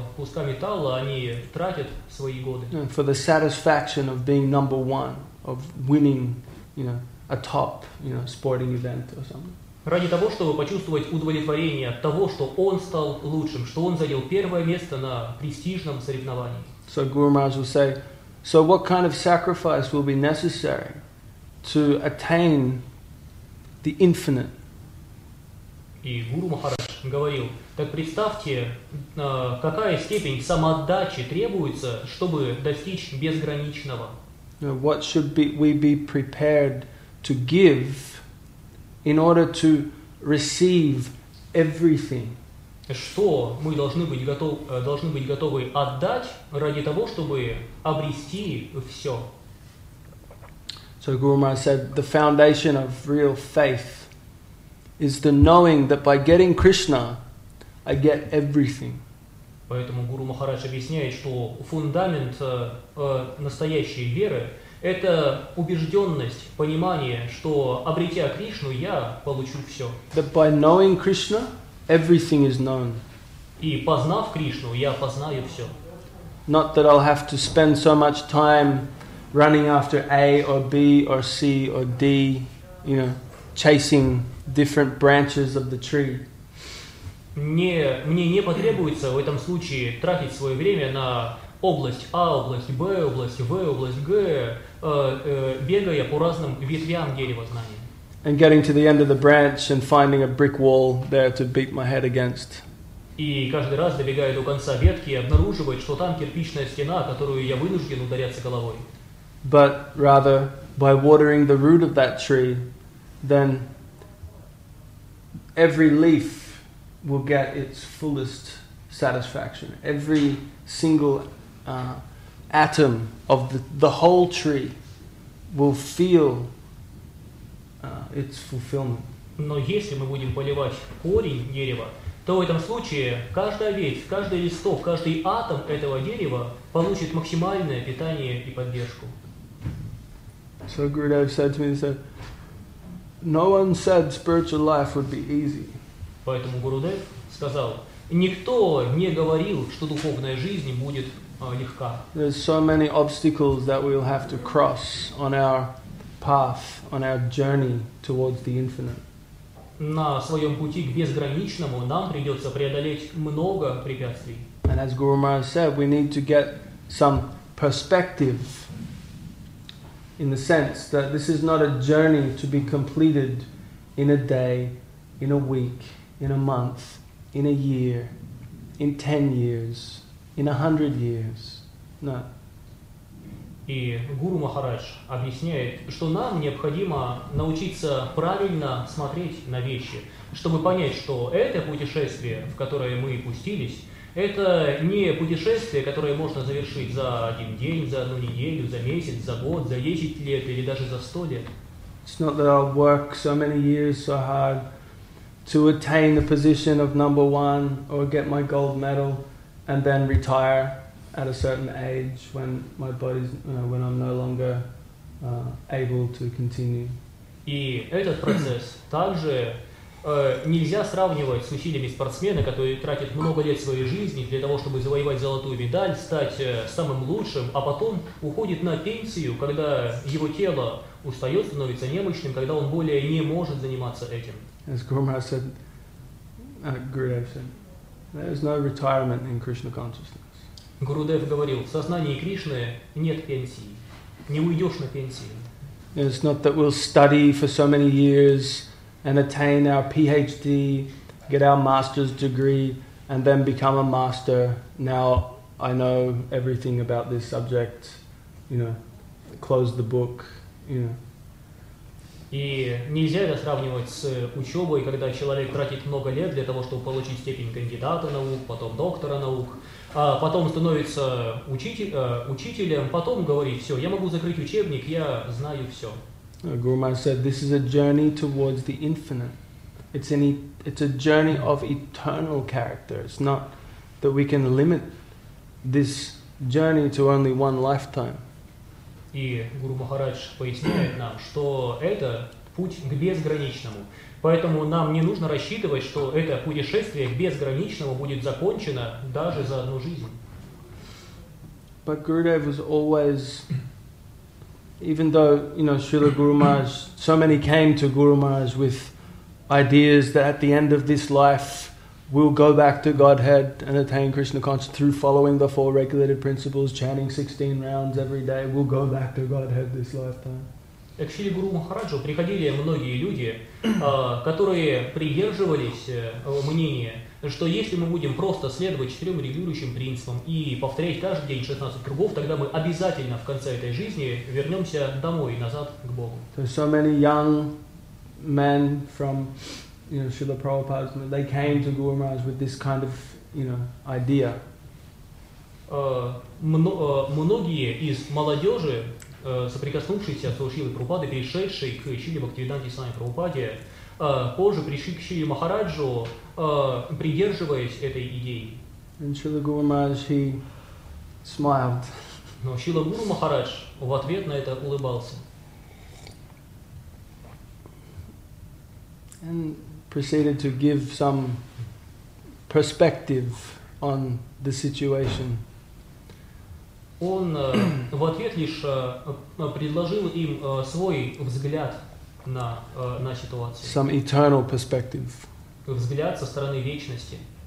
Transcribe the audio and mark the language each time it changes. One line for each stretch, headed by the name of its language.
Russian: куска металла они тратят свои годы.
English: And for the satisfaction of being number one, of winning, you know, a top, you know, sporting event or something.
Russian: Ради того, чтобы почувствовать удовлетворение от того, что он стал лучшим, что он занял первое место на престижном соревновании.
English: So Guru Maharaj will say, so what kind of sacrifice will be necessary to attain the infinite?
Russian: И Гуру Махарадж говорил, так представьте, какая степень самоотдачи требуется, чтобы достичь безграничного.
English: What should we be prepared to give in order to receive everything?
Russian: Что мы должны быть готовы отдать ради того, чтобы обрести все?
English: So Guru Maharaj said, the foundation of real faith is the knowing that by getting Krishna, I get everything.
Russian: Поэтому Гуру Махарадж объясняет, что фундамент настоящей веры это убежденность, понимание, что обретя Кришну, я получу все.
English: That by knowing Krishna, everything is known.
Russian: И познав Кришну, я познаю все.
English: Not that I'll have to spend so much time running after A or B or C or D, you know, chasing different branches of the tree.
Russian: Мне не потребуется в этом случае тратить свое время на область А, область Б, область В, область Г, бегая по разным ветвям дерева знания.
English: And getting to the end of the branch and finding a brick wall there to beat my head against.
Russian: И каждый раз добегая до конца ветки, обнаруживать, что там кирпичная стена, которую я вынужден ударяться головой.
English: But rather by watering the root of that tree, then every leaf will get its fullest satisfaction. Every single atom of the whole tree will feel its fulfillment.
Russian: Но если мы будем поливать корень дерева, то в этом случае каждая ветвь, каждый листок, каждый атом этого дерева получит максимальное питание и поддержку.
English: So Gurudev said to me, he said, no one said spiritual life would be easy.
Russian: Поэтому Гурудев сказал, никто не говорил, что духовная жизнь будет легка.
English: There's so many obstacles that we'll have to cross on our path, on our journey towards the infinite.
Russian: На своем пути к безграничному нам придется преодолеть много препятствий.
English: And as Guru Maharaj said, we need to get some perspective in the sense that this is not a journey to be completed in a day, in a week, in a month, in a year, in 10 years, in 100 years. No.
Russian: И Гуру Махарадж объясняет, что нам необходимо научиться правильно смотреть на вещи, чтобы понять, что это путешествие, в которое мы пустились, это не путешествие, которое можно завершить за один день, за одну неделю, за месяц, за год, за 10 лет или даже за 100 лет.
English: It's not that I'll work so many years so hard to attain the position of number one or get my gold medal and then retire at a certain age when my body's when I'm no longer able to continue.
Russian: И этот процесс также нельзя сравнивать с усилиями спортсмена, который тратит много лет своей жизни для того, чтобы завоевать золотую медаль, стать самым лучшим, а потом уходит на пенсию, когда его тело устает, становится немощным, когда он более не может заниматься этим.
English: As Guru Maharaj said, Gurudev said, there is no retirement in Krishna consciousness.
Russian: Гурудев говорил, в сознании Кришны нет пенсии, не уйдешь на пенсию.
English: It's not that we'll study for so many years and attain our PhD, get our master's degree, and then become a master. Now I know everything about this subject, you know, close the book, you know.
Russian: И нельзя это сравнивать с учебой, когда человек тратит много лет для того, чтобы получить степень кандидата наук, потом доктора наук, а потом становится учителем, потом говорит, все, я могу закрыть учебник, я знаю все.
English: Guru Maharaj said, this is a journey towards the infinite. It's a journey of eternal character. It's not that we can limit this journey to only one lifetime.
Russian: И Гуру Махарадж поясняет нам, что это путь к безграничному. Поэтому нам не нужно рассчитывать, что это путешествие к безграничному будет закончено даже за одну жизнь.
English: But Gurudev was always, even though, you know, Srila Guru Maharaj, so many came to Guru Maharaj with ideas that at the end of this life we'll go back to Godhead and attain Krishna consciousness through following the four regulated principles, chanting 16 rounds every day, we'll go back to Godhead this lifetime.
Russian: К Шри Гуру Махараджу приходили многие люди, которые придерживались мнения, что если мы будем просто следовать четырем регулирующим принципам и повторять каждый день 16 кругов, тогда мы обязательно в конце этой жизни вернемся домой, назад к Богу.
English: So many young men from, you know, Srila Prabhupada, they came to Guru Maharaj with this kind of, you know, idea.
Russian: Многие из молодежи, соприкоснувшийся с Шрилой Прабхупадой, перешедший к Шриле Бхактивиданте Сами Прабхупаде, позже пришли к Шриле Махараджу, придерживаясь этой идеи.
English: And Srila Guru Maharaj, he smiled.
Russian: Но Шрила Гуру Махарадж в ответ на это улыбался.
English: And proceeded to give some perspective on the situation.
Russian: Он в ответ лишь предложил им свой взгляд на ситуацию.
English: Some eternal perspective.
Russian: Взгляд со стороны вечности.